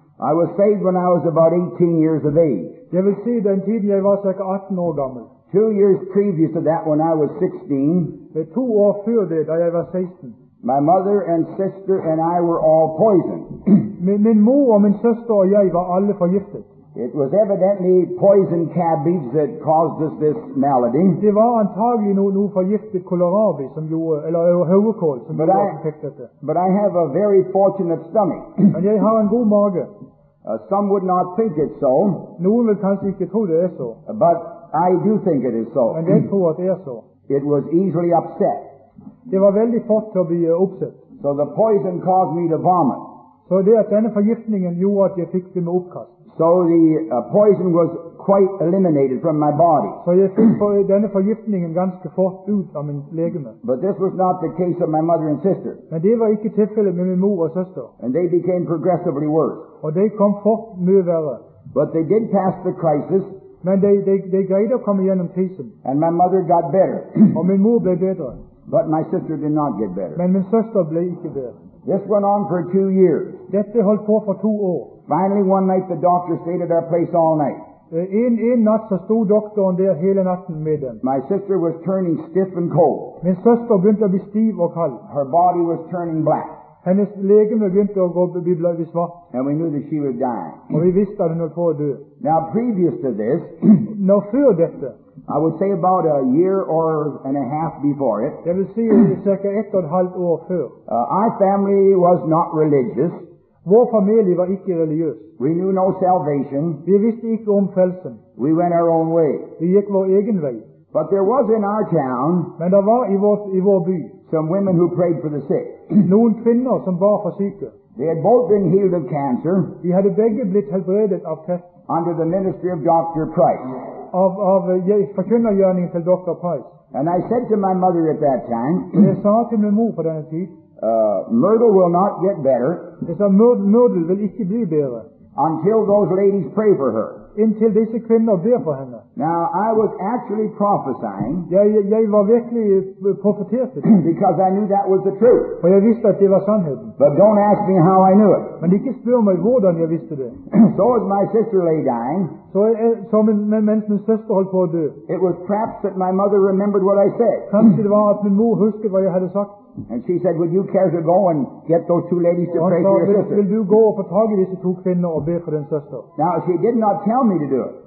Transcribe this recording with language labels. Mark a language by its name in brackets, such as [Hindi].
[English] I was saved when I was about 18 years of age. [Norwegian] Jeg vil si den tiden jeg var cirka 18 år gammel. [English] 2 years previous to that, when I was 16. [Norwegian] Det 2 år før det, da jeg var 16. [English] My mother and sister and I were all poisoned. [Norwegian] Min mor og min søster og jeg var alle forgiftet. [English] It was evidently poison cabbage that caused us this malady. [Norwegian] Det var antagelig noe forgiftet kålrabi som gjorde, eller høvekål som gjorde at vi fikk dette. [English] But I have a very fortunate stomach. [Norwegian] Men jeg har en god mage. [English] Some would not think it so. [Norwegian] Noen vil kanskje ikke tro det er så. [English] But I do think it is so. [Norwegian] Men jeg tror at det er så. [English] It was easily upset. [Norwegian] Det var veldig fort til å bli oppsett. [English] So the poison caused me to vomit. [Norwegian] Så det at denne forgiftningen gjorde at jeg fikk det med oppkast. [English] So the poison was quite eliminated from my body. [Norwegian] Så jeg fikk denne forgiftningen ganske fort ut av min legeme. [English] But this was not the case of my mother and sister. [Norwegian] Men det var ikke tilfellet med min mor og søster. [English] And they became progressively worse. [Norwegian] Og de kom fort mye verre. [English] But they did pass the crisis. [Norwegian] Men de greide å komme gjennom krisen. [English] And my mother got better. [Norwegian] Og min mor ble bedre. [English] But my sister did not get better. [Norwegian] Men min søster ble ikke bedre. [English] This went on for 2 years. [Norwegian] Dette holdt på for 2 år. [English] Finally, one night the doctor stayed at our place all night. [Norwegian] En natt så sto doktoren der hele natten med dem. [English] My sister was turning stiff and cold. [Norwegian] Min søster begynte å bli stiv og kald. [English] Her body was turning black. [Norwegian] Hennes legeme begynte å bli blodig svart. [English] And we knew that she was dying. [Norwegian] Og vi visste at hun holdt på å dø. [English] Now, previous to this, [Norwegian] nå før dette, [English] I would say about a year or and a half before it. [Norwegian] Det vil si cirka 1.5 år før. [English] Our family was not religious. [Norwegian] Vår familie var ikke religiøs. [English] We knew no salvation. [Norwegian] Vi visste ikke om frelsen. [English] We went our own way. [Norwegian] Vi gikk vår egen vei. [English] But there was in our town. [Norwegian] Men det var i vår by. [English] Some women who prayed for the sick. [Norwegian] Noen kvinner som bar for syke. [English] They had both been healed of cancer. [Norwegian] De hadde begge blitt helbredet av kreft. [English] Under the ministry of Dr. Price. [Norwegian] Av forkynnergjerningen til Dr. Price. [English] And I said to my mother at that time, [Norwegian] jeg sa til min mor på denne tid, [English] Myrtle will not get better. [Norwegian] Jeg sa, Myrtle vil ikke bli bedre. [English] Until those ladies pray for her. [Norwegian] Intil disse kvinner ber for henne. [English] Now I was actually prophesying. [Norwegian] Jeg var virkelig profeterte. [English] Because I knew that was the truth. [Norwegian] For jeg visste at det var sannheten. [English] But don't ask me how I knew it. [Norwegian] Men ikke spør meg hvordan jeg visste det. [English] So as my sister lay dying. [Norwegian] Så mens min søster holdt på å dø. [English] It was perhaps that my mother remembered what I said. [Norwegian] Kanskje det var at min mor husket hva jeg hadde sagt. [English] And she said, "Would you care to go and get those two ladies to pray for your sister?" Will you go up and talk to these two women and pray for your sister? Now she did not tell me to do it.